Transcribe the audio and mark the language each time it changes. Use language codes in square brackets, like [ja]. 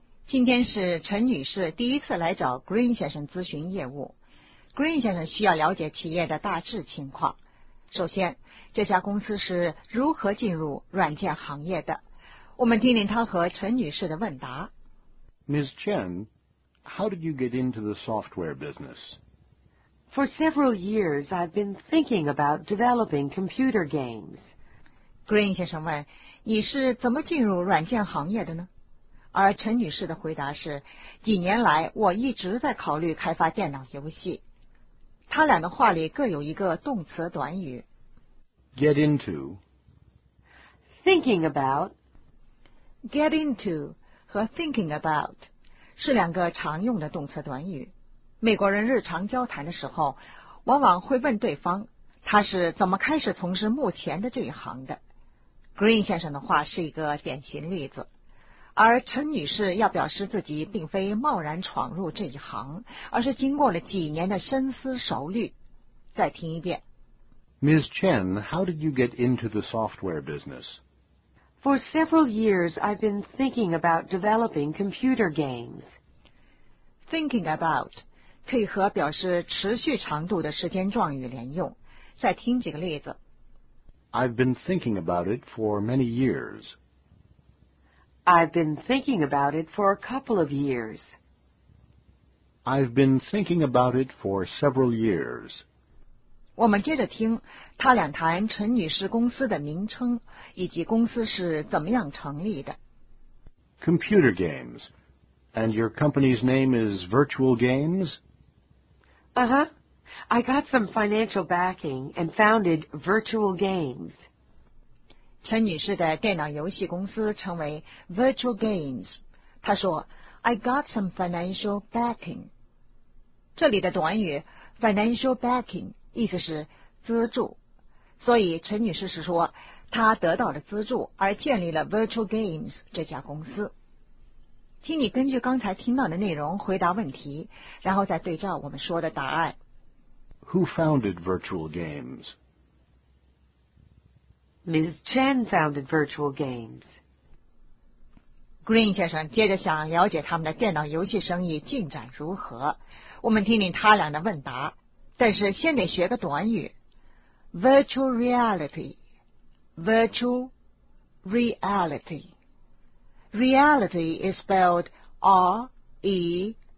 [zh] 今天是陈女士第一次来找 Green 先生咨询业务。 Green 先生需要了解企业的大致情况。首先，这家公司是如何进入软件行业的？我们听听他和陈女士的问答。 [en] Ms. Chen, how did you get into the software business? For several years, I've been thinking about developing computer games. [zh] Green 先生问，你是怎么进入软件行业的呢？而陈女士的回答是，几年来我一直在考虑开发电脑游戏。他俩的话里各有一个动词短语。 [en] Get into. Thinking about. [zh] Get into 和 thinking about 是两个常用的动词短语。美国人日常交谈的时候，往往会问对方，他是怎么开始从事目前的这一行的。 Green 先生的话是一个典型例子。而陈女士要表示自己并非贸然闯入这一行，而是经过了几年的深思熟虑。再听一遍。 [en] Ms. Chen, how did you get into the software business? For several years, I've been thinking about developing computer games. [zh] Thinking about 可以和表示持续长度的时间状语连用。再听几个例子。 [en] I've been thinking about it for many years. I've been thinking about it for a couple of years. I've been thinking about it for several years. [zh] 我们接着听他俩谈陈女士公司的名称以及公司是怎么样成立的。 [en] Computer games. And your company's name is Virtual Games? Uh-huh. I got some financial backing and founded Virtual Games. [zh] 陈女士的电脑游戏公司称为 Virtual Games。她说 , [en] I got some financial backing。 [zh] 这里的短语 financial backing 意思是资助。所以陈女士是说她得到了资助而建立了 Virtual Games 这家公司。请你根据刚才听到的内容回答问题，然后再对照我们说的答案。 [en] Who founded Virtual Games? Ms. Chen founded Virtual Games. [zh] Green 先生接着想了解他们的电脑游戏生意进展如何。我们听听他俩的问答，但是先得学个短语 ：virtual reality. [en] Virtual reality. Reality is spelled R-E-A-L-I-T-Y.